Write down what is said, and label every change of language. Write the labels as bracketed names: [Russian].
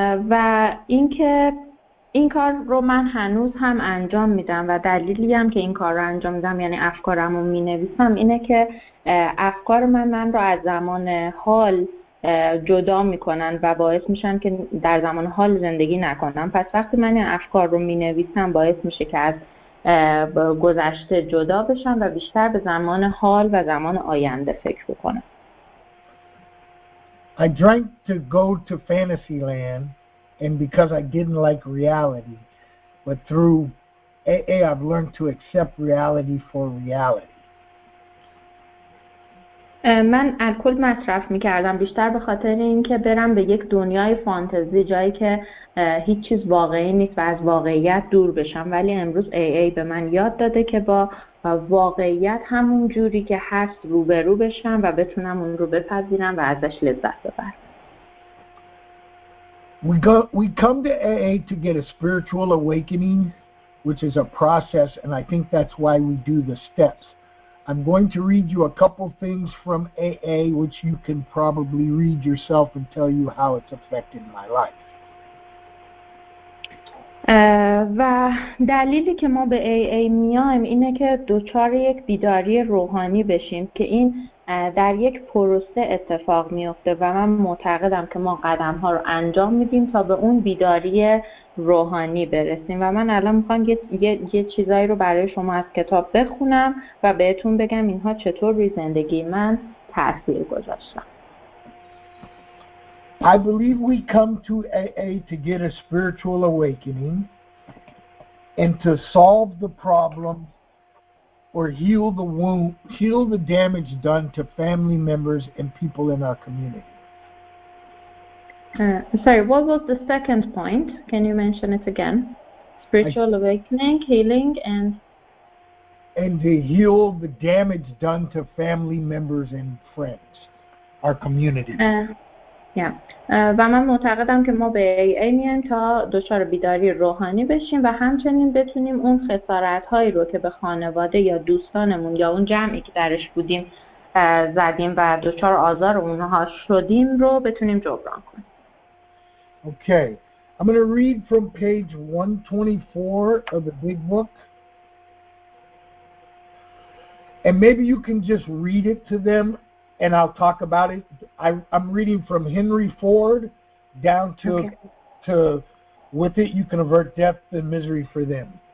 [Persian] و اینکه این کار رو من هنوز هم انجام میدم و دلیلی هم که این کار رو انجام میدم یعنی افکارم رو مینویسم اینه که افکار من رو از زمان حال جدا میکنن و باعث میشن که در زمان حال زندگی نکنم. پس وقتی من این افکار رو مینویسم باعث میشه که از گذشته جدا بشم و بیشتر به زمان حال و زمان آینده فکر بکنم. [English] I drank to go to fantasy land and because I didn't like reality, but through AA I've learned to accept reality for reality. [Persian] من الکل مصرف میکردم بیشتر به خاطر اینکه برم به یک دنیای فانتزی جایی که هیچ چیز واقعی نیست و از واقعیت دور بشم، ولی امروز AA به من یاد داده که با واقعیت همون جوری که هست روبرو بشم و بتونم اون رو بپذیرم و ازش لذت ببرم. [English] We come to AA to get a spiritual awakening, which is a process, and I think that's why we do the steps. I'm going to read you a couple things from AA, which you can probably read yourself and tell you how it's affected my life. [Persian] و دلیلی که ما به AA میایم اینه که دوچار یک بیداری روحانی بشیم که این در یک پروسه اتفاق میفته و من معتقدم که ما قدم‌ها رو انجام میدیم تا به اون بیداری روحانی برسیم و من الان میخوام یه چیزایی رو برای شما از کتاب بخونم و بهتون بگم اینها چطور روی زندگی من تأثیر گذاشتن. [English] I believe we come to AA to get a spiritual awakening and to solve the problem or heal the wound, heal the damage done to family members and people in our community. Sorry, what was the second point? Can you mention it again? Spiritual awakening, healing, and... And to heal the damage done to family members and friends, our community. [Persian] و من معتقدم که ما به AA میایم تا دچار بیداری روحانی بشیم و همچنین بتونیم اون خسارت‌هایی رو که به خانواده یا دوستانمون یا اون جمعی که درش بودیم زدیم و دچار آزار اونها شدیم رو بتونیم جبران کنیم. [English] Okay. I'm going to read from page 124 of the big book. And maybe you can just read it to them and I'll talk about it. I'm reading from Henry Ford down to with it you can avert death and misery for them.